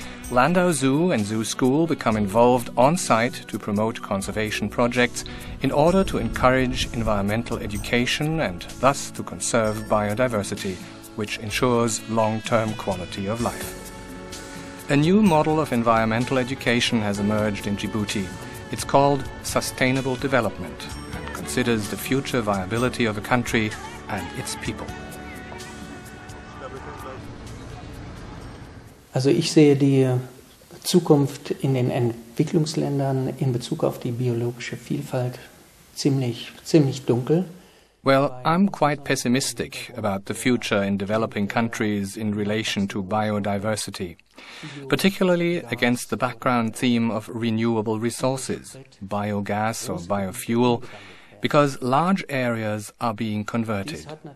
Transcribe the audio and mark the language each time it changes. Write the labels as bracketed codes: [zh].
[en] Landau Zoo and Zoo School become involved on-site to promote conservation projects in order to encourage environmental education and thus to conserve biodiversity, which ensures long-term quality of life. A new model of environmental education has emerged in Djibouti. It's called sustainable development and considers the future viability of a country and its people. [de] Also ich sehe die Zukunft in den Entwicklungsländern in Bezug auf die biologische Vielfalt ziemlich dunkel. [en] Well, I'm quite pessimistic about the future in developing countries in relation to biodiversity, particularly against the background theme of renewable resources, biogas or biofuel, because large areas are being converted.